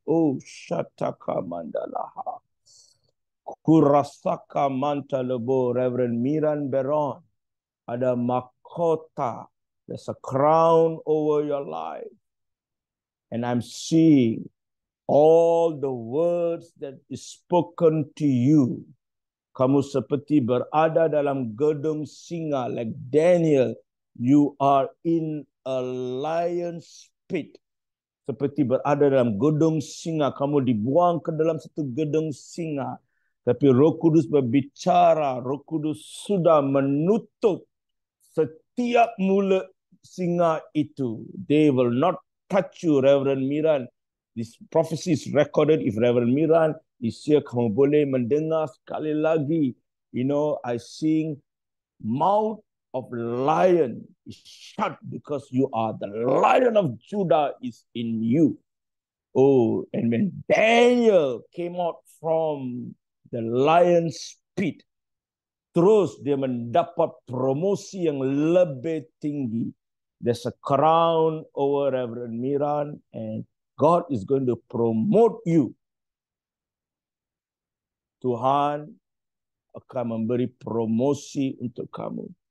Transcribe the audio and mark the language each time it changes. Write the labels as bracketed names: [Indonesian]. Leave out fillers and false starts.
[Indonesian] Oh, Shataka Mandalaha. Kurasaka Mantalebo, Reverend Miran Beron. Ada Makota. [English] There's a crown over your life. And I'm seeing all the words that is spoken to you. [Indonesian] Kamu seperti berada dalam gedung singa, [English] like Daniel. You are in a lion's pit. [Indonesian] Seperti berada dalam gedung singa. Kamu dibuang ke dalam satu gedung singa. Tapi Roh Kudus berbicara. Roh Kudus sudah menutup setiap mulut singa itu. [English] They will not touch you, Reverend Miran. This prophecy is recorded. If Reverend Miran is here, [Indonesian] kamu boleh mendengar sekali lagi. [English] You know, I sing mouth of lion is shut because you are the lion of Judah is in you. Oh, and when Daniel came out from the lion's pit, [Indonesian] terus dia mendapat promosi yang lebih tinggi. [English] There's a crown over Reverend Miran and God is going to promote you. [Indonesian] Tuhan akan memberi promosi untuk kamu.